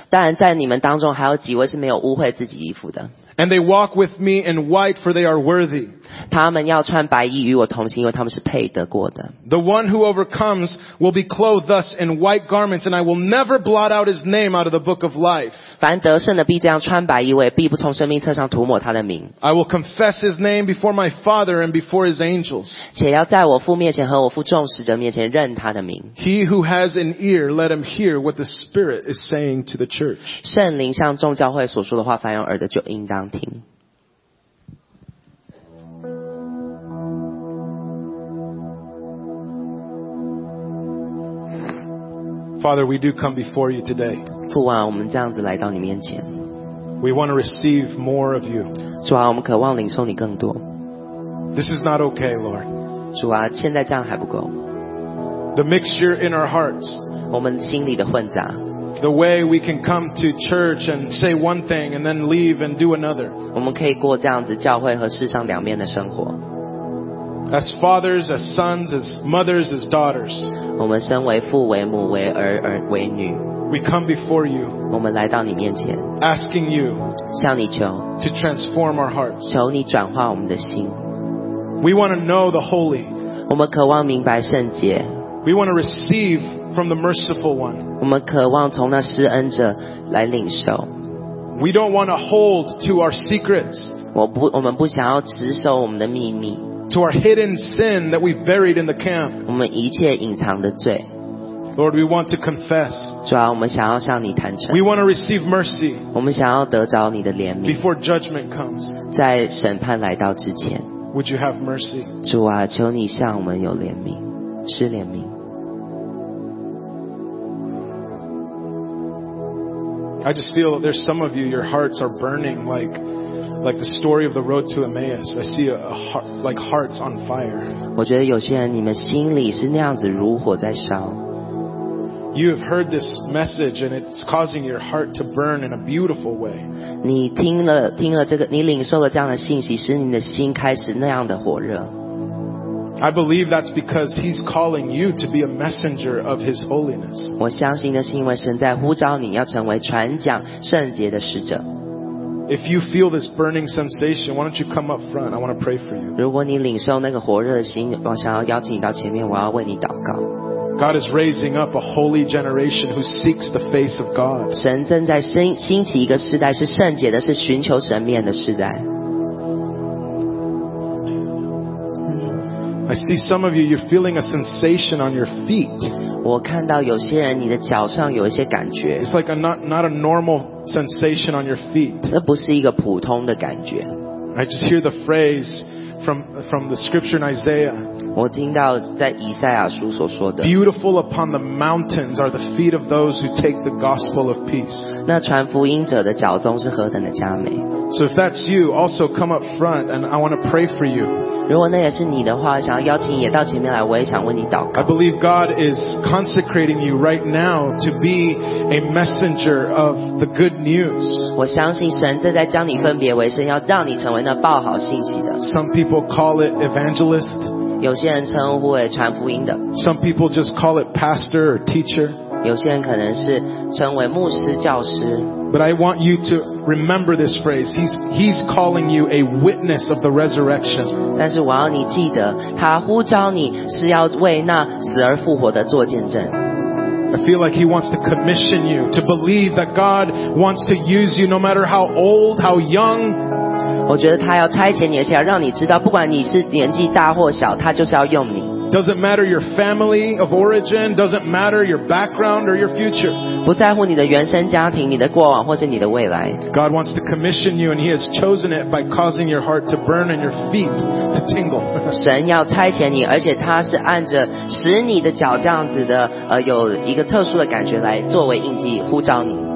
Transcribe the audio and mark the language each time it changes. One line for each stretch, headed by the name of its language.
Chinese: 当然，在你们当中还有几位是没有污秽自己衣服的。
English: And they walk with me in white, for they are worthy.
Chinese: 他们要穿白衣与我同行，因为他们是配得过的。
English: The one who overcomes will be clothed thus in white garments, and I will never blot out his name out of the book of life.
Chinese: 凡得胜的必这样穿白衣，我也必不从生命册上涂抹他的名。
English: I will confess his name before my Father and before his angels.
Chinese: 且要在我父面前和我父众使者面前认他的名。
English: He who has an ear, let him hear what the Spirit is saying to the church.
Chinese: 圣灵向众教会所说的话，凡有耳的就应当。
English: Father, we do come before you today.
Chinese: 父啊，我们这样子来到你面前。
English: We want to receive more of you.
Chinese: 主啊，我们渴望领受你更多。
English: This is not okay, Lord.
Chinese: 主啊，现在这样还不够。
English: The mixture in our hearts.
Chinese: 我们心里的混杂。
English: The way we can come to church and say one thing and then leave and do another.
Chinese: 我们可以过这样子教会和世上两面的生活。
English: As fathers, as sons, as mothers, as daughters.
Chinese: 我们身为父、为母、为儿、为女。
English: We come before you.
Chinese: 我们来到你面前。
English: Asking you.
Chinese: 向你求。
English: To transform our hearts.
Chinese: 求你转化我们的心。
English: We want to know the holy.
Chinese: 我们渴望明白圣洁。
English: We want to receive from the merciful one.
Chinese: 我们渴望从那施恩者来领受。
English: We don't want to hold to our secrets.
Chinese: 我们不想要持守我们的秘密。
English: To our hidden sin that we've buried in the camp.
Chinese: 我们一切隐藏的罪。
English: Lord, we want to confess.
Chinese: 主啊，我们想要向你坦诚。
English: We want to receive mercy.
Chinese: 我们想要得着你的怜悯。
English: Before judgment comes.
Chinese: 在审判来到之前。
English: Would you have mercy?
Chinese: 主啊，求你向我们有怜悯，施怜悯。
English: I just feel there's some of you, your hearts are burning like the story of the road to Emmaus. I see a heart, like hearts on fire.
Chinese: 我觉得有些人你们心里是那样子如火在烧。
English: You have heard this message and it's causing your heart to burn in a beautiful way.
Chinese: 你听了这个，你领受了这样的信息，使你的心开始那样的火热。
English: I believe that's because he's calling you to be a messenger of his holiness.
Chinese: 我相信那是因为神在呼召你要成为传讲圣洁的使者。
English: If you feel this burning sensation, why don't you come up front? I want to pray for you.
Chinese: 如果你领受那个火热的心，我想要邀请你到前面，我要为你祷告。
English: God is raising up a holy generation who seeks the face of God.
Chinese: 神正在兴起一个世代，是圣洁的，是寻求神面的世代。
English: I see some of you, you're feeling a sensation on your feet.
Chinese: 我看到有些人你的脚上有一些感觉。
English: It's like not a normal sensation on your feet.
Chinese: 这不是一个普通的感觉。
English: I just hear the phrase from the scripture in Isaiah.
Chinese: 我听到在以赛亚书所说的。
English: Beautiful upon the mountains are the feet of those who take the gospel of peace.
Chinese: 那传福音者的脚中是何等的佳美。
English: So if that's you, also come up front and I want to pray for you.
Chinese: 如果那也是你的话，想要邀请你也到前面来，我也想为你祷告。
English: I believe God is consecrating you right now to be a messenger of the good news.
Chinese: 我相信神正在将你分别为圣，要让你成为那报好信息的。
English: Some people call it evangelist.
Chinese: 有些人称呼为传福音的。
English: Some people just call it pastor or teacher.
Chinese: 有些人可能是称为牧师、教师。
English: But I want you to remember this phrase. He's calling you a witness of the resurrection.
Chinese: 但是我要你记得，他呼召你是要为那死而复活的做见证。
English: I feel like he wants to commission you to believe that God wants to use you no matter how old, how young.
Chinese: 我觉得他要差遣你，而且要让你知道，不管你是年纪大或小，他就是要用你。
English: Doesn't matter your family of origin, doesn't matter your background or your future.
Chinese: 不在乎你的原生家庭，你的过往或是你的未来。
English: God wants to commission you and he has chosen it by causing your heart to burn and your feet to tingle.
Chinese: 神要差遣你，而且他是按着使你的脚这样子的有一个特殊的感觉来作为印记呼召你。